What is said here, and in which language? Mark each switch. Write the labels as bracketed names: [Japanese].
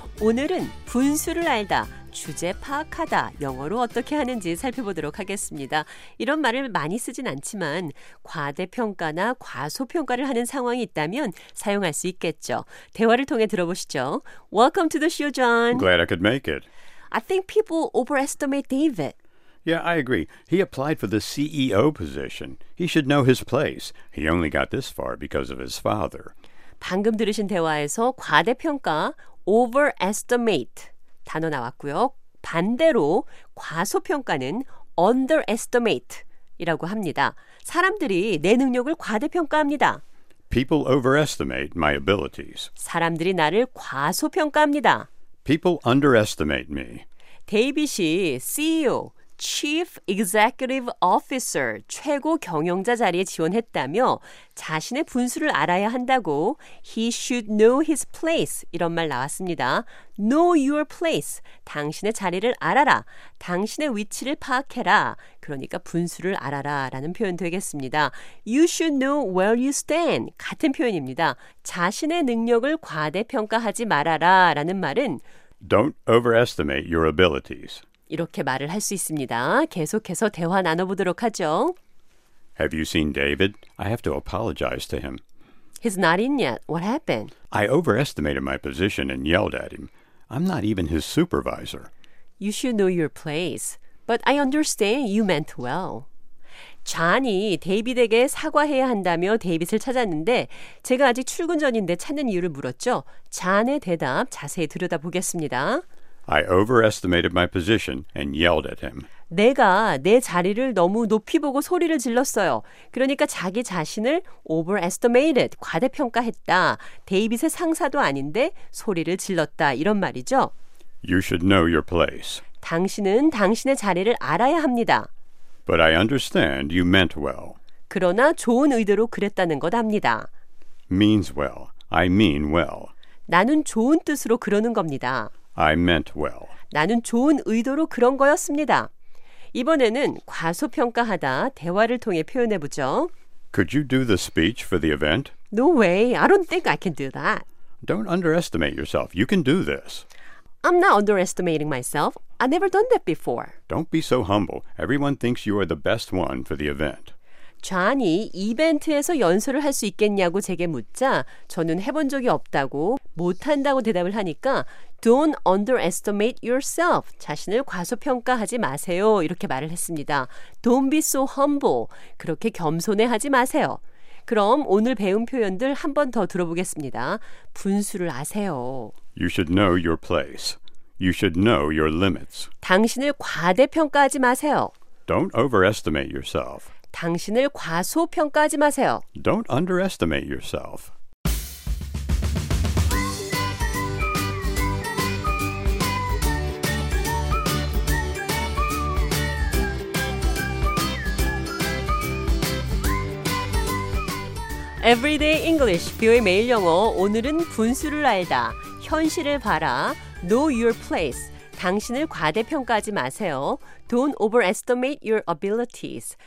[Korean] 오늘은 분수를 알다, 주제 파악하다, 영어로 어떻게 하는지 살펴보도록 하겠습니다. 이런 말을 많이 쓰진 않지만 과대평가나 과소평가를 하는 상황이 있다면 사용할 수 있겠죠. 대화를 통해 들어보시죠. [English] Welcome to the show, John. Glad I could make it. I think people overestimate David. Yeah, I agree. He applied for the CEO position. He should know his place. He only got this far because of his father. [Korean] 방금 들으신 대화에서 과대평가, overestimate 단어 나왔고요. 반대로 과소평가는 underestimate 이라고 합니다. 사람들이 내 능력을 과대평가합니다. [English] People overestimate my abilities. [Korean] 사람들이 나를 과소평가합니다. [English] People underestimate me. [Korean] 데이빗이 CEO, Chief Executive Officer, 최고 경영자 자리에 지원했다며 자신의 분수를 알아야 한다고 [English] He should know his place, [Korean] 이런 말 나왔습니다. [English] Know your place, [Korean] 당신의 자리를 알아라, 당신의 위치를 파악해라, 그러니까 분수를 알아라 라는 표현 되겠습니다. [English] You should know where you stand, [Korean] 같은 표현입니다. 자신의 능력을 과대평가하지 말아라 라는 말은 [English] Don't overestimate your abilities. [Korean] 이렇게 말을 할 수 있습니다. 계속해서 대화 나눠보도록 하죠. [English] Have you seen David? I have to apologize to him. He's not in yet. What happened? I overestimated my position and yelled at him. I'm not even his supervisor. You should know your place. But I understand you meant well. [Korean] 존이 데이빗에게 사과해야 한다며 데이빗을 찾았는데 제가 아직 출근 전인데 찾는 이유를 물었죠. 존의 대답 자세히 들여다보겠습니다. [English] I overestimated my position and yelled at him. [Korean] 내가 내 자리를 너무 높이 보고 소리를 질렀어요. 그러니까 자기 자신을 overestimated, 과대평가했다. 데이빗의 상사도 아닌데 소리를 질렀다. 이런 말이죠. [English] You should know your place. [Korean] 당신은 당신의 자리를 알아야 합니다. [English] But I understand you meant well. [Korean] 그러나 좋은 의도로 그랬다는 것 압니다. [English] Means well. I mean well. [Korean] 나는 좋은 뜻으로 그러는 겁니다. [English] I meant well. [Korean] 나는 좋은 의도로 그런 거였습니다. 이번에는 과소평가하다 대화를 통해 표현해 보죠. [English] Could you do the speech for the event? No way. I don't think I can do that. Don't underestimate yourself. You can do this. I'm not underestimating myself. I've never done that before. Don't be so humble. Everyone thinks you are the best one for the event. [Korean] 존이 이벤트에서 연설을 할 수 있겠냐고 제게 묻자 저는 해본 적이 없다고 못한다고 대답을 하니까 [English] Don't underestimate yourself. [Korean] 자신을 과소평가하지 마세요. 이렇게 말을 했습니다. [English] Don't be so humble. [Korean] 그렇게 겸손해하지 마세요. 그럼 오늘 배운 표현들 한 번 더 들어보겠습니다. 분수를 아세요. [English] You should know your place. You should know your limits. [Korean] 당신을 과대평가하지 마세요. [English] Don't overestimate yourself. [Korean] 당신을 과소평가하지 마세요. [English] Don't underestimate yourself. [Korean] 에브리데이 잉글리쉬 뷰의 매일 영어 오늘은 분수를 알다, 현실을 봐라, [English] Know your place, [Korean] 당신을 과대평가하지 마세요. [English] Don't overestimate your abilities.